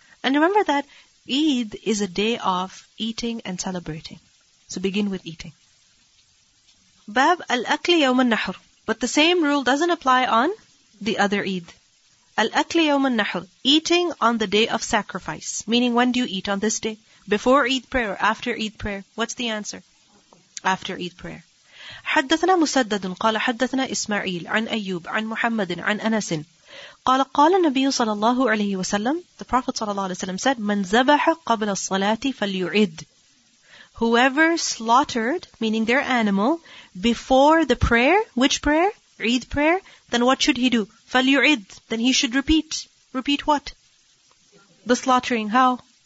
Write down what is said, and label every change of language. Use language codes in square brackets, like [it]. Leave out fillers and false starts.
[en] And remember that Eid is a day of eating and celebrating. So begin with eating. [ar] Bab al-akli yawm al-nahr. [en] But the same rule doesn't apply on the other Eid. [ar] Al-akli yawm al-nahr. [en] Eating on the day of sacrifice. Meaning when do you eat? On this day? Before Eid prayer or after Eid prayer? What's the answer? After Eid prayer. [ar] حدثنا مسدد قال حدثنا إسماعيل عن أيوب عن محمد عن أنس قال قال النبي صلى الله عليه وسلم. [en] The Prophet صلى الله عليه وسلم said, [ar] من زبح قبل الصلاة فليعد. [en] Whoever slaughtered, meaning their animal, before the prayer, which prayer? Eid prayer. Then what should he do? [ar] فليعد. [en] Then he should repeat. Repeat what? The slaughtering. How?